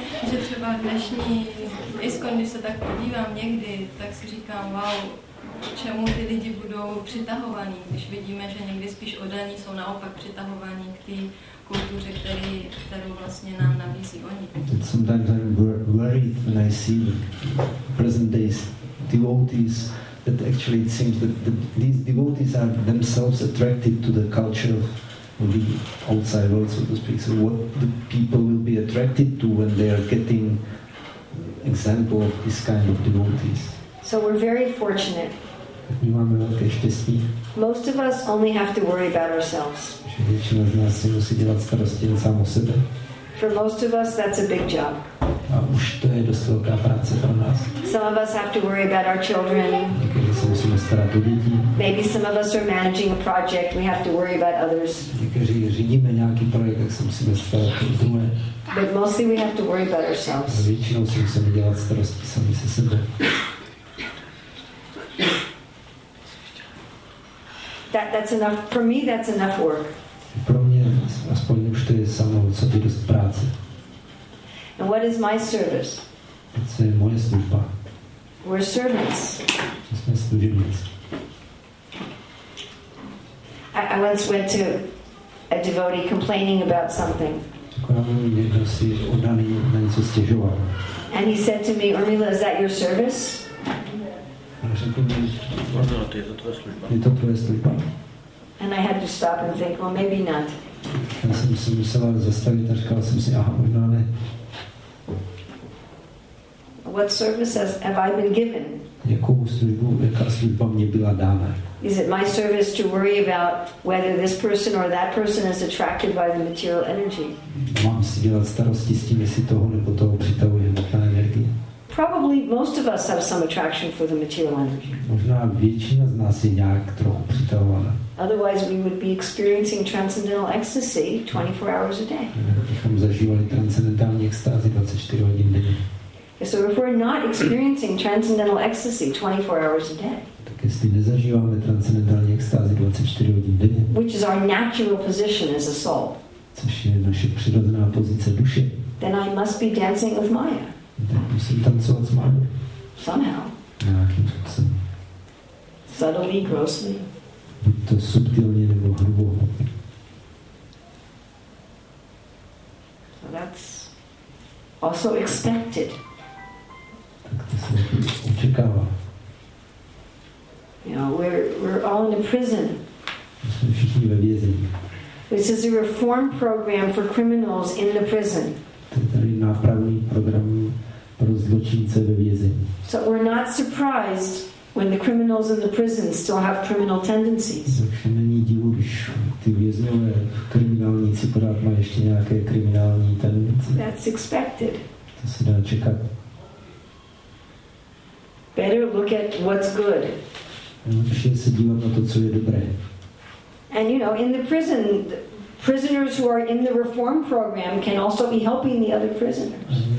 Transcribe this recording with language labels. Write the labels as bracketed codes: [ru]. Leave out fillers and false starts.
[cs] Že třeba dnešní ISKCON, když se tak podívám někdy, tak si říkám, wow, čemu ty lidi budou přitahovaní, když vidíme, že někdy spíš oddaní jsou naopak přitahovaní k té kultuře, kterou vlastně nám nabízí oni. [en] Sometimes I'm worried when I see present days devotees, that actually it seems that these devotees are themselves attracted to the culture of the outside world, so to speak. So what the people will be attracted to when they are getting example of this kind of devotees. So we're very fortunate. [cs] My máme velké štěstí. [en] Most of us only have to worry about ourselves. [cs] Většina z nás si musí dělat starosti jen sám o sebe. [en] For most of us, that's a big job. [cs] A už to je dost velká práce pro nás. [en] Some of us have to worry about our children. [cs] Někdy se musíme starat o děti. [en] Maybe some of us are managing a project. We have to worry about others. [cs] Někdy řídíme nějaký projekt, tak se musíme starat o druhé. [en] But mostly we have to worry about ourselves. [cs] A většinou si musíme dělat starosti sami se sebe. [en] That's enough for me. That's enough work. [cs] Pro mě aspoň už to je samo o sobě dost práce. [en] And what is my service? [cs] Co je moje služba? [en] We're servants. [cs] Jsme služebníci. [en] I once went to a devotee complaining about something. [cs] Někdo si oddaný na něco stěžoval. [en] And he said to me, Urmila, is that your service? [cs] Řekl mi, je to tvoje služba? [en] And I had to stop and think, well, maybe not. [cs] Já jsem si musela zastavit a říkala jsem si, aha, možná ne. [en] What services have I been given? [cs] Jakou službu, jaká služba mě byla dána? [en] Is it my service to worry about whether this person or that person is attracted by the material energy? [cs] Mám si dělat starosti s tím, jestli toho nebo toho přitahuje hmotná energie? [en] Probably most of us have some attraction for the material energy. [cs] Možná většina z nás je nějak trochu přitahována. [en] Otherwise we would be experiencing transcendental ecstasy 24 hours a day. [cs] Bychom zažívali transcendentální extázi 24 hodin denně. [en] So if we're not experiencing transcendental ecstasy 24 hours a day, [cs] tak jestli nezažíváme transcendentální extázi 24 hodin denně, [en] which is our natural position as a soul, [cs] což je naše přirozená pozice duše, [en] then I must be dancing with Maya. [cs] Tak musím tancovat s Mayou. [en] Somehow. [cs] Nějakým způsobem. [en] Subtly, grossly. [cs] Buď to subtilně nebo hrubo. [en] So that's also expected. [cs] Tak to se [en] you know, we're all in a prison. [cs] Jsme všichni ve vězení. [en] This is a reform program for criminals in the prison. [cs] To je tady nápravný program pro zločince ve vězení. [en] So we're not surprised when the criminals in the prison still have criminal tendencies. [cs] Takže není divu, když ty vězňové kriminálníci pořád mají ještě nějaké kriminální tendence. [en] That's expected. [cs] To se dá čekat. [en] Better look at what's good. [cs] Lepší se dívat na to, co je dobré. [en] And you know, in the prison, prisoners who are in the reform program can also be helping the other prisoners.